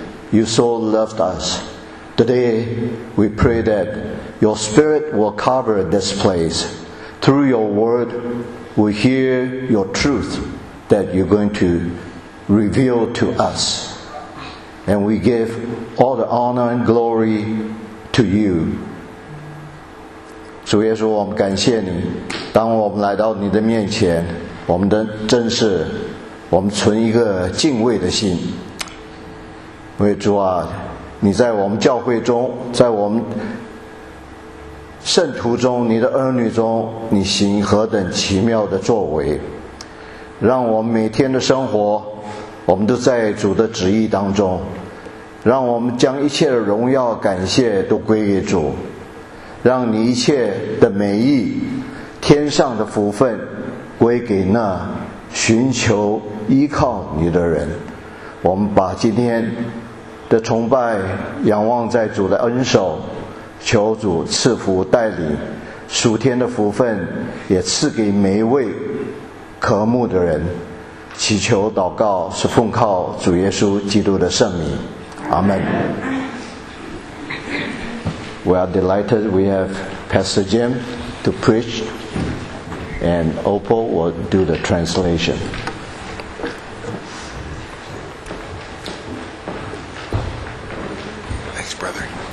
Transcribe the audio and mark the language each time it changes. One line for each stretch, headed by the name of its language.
English: You so loved us. Today, we pray that your Spirit will cover this place. Through your word, we hear your truth that you're going to reveal to us. And we give all the honor and glory to you.
Chinese: 主耶稣，我们感谢你，当我们来到你的面前，我们的真是我们存一个敬畏的心。因为主啊，你在我们教会中，在我们圣徒中，你的儿女中，你行何等奇妙的作为，让我们每天的生活我们都在主的旨意当中，让我们将一切的荣耀感谢都归给主，让你一切的美意、天上的福分归给那寻求依靠你的人。我们把今天的崇拜仰望在主的恩手，求主赐福带领，属天的福分也赐给每一位渴慕的人。祈求祷告是奉靠主耶稣基督的圣名，阿门。
English: We are delighted we have Pastor Jim to preach, and Opal will do the translation. Thanks, brother.